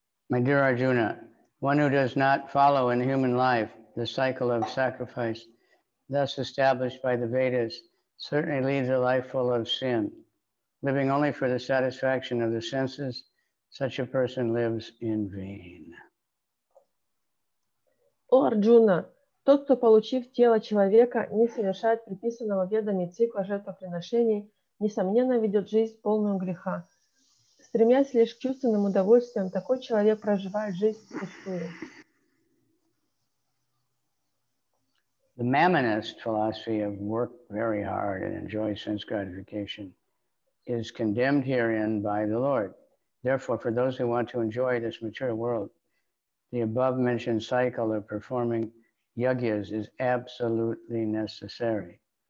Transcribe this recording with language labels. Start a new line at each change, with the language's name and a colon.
English: My dear Arjuna, one who does not follow in human life the cycle of sacrifice thus established by the Vedas certainly leads a life full of sin, living only for the satisfaction of the senses. Such a person lives in vain.
Russian: О, Арджуна, тот, кто, получив тело человека, не совершает предписанного ведами цикла жертвоприношений, несомненно, ведет жизнь полную греха. Стремясь лишь к чувственным удовольствиям, такой человек проживает жизнь впустую.
English: The mammonist philosophy of work very hard and enjoy sense gratification is condemned herein by the Lord. Therefore, for those who want to enjoy this material world, the above mentioned cycle of performing yajñas is absolutely necessary.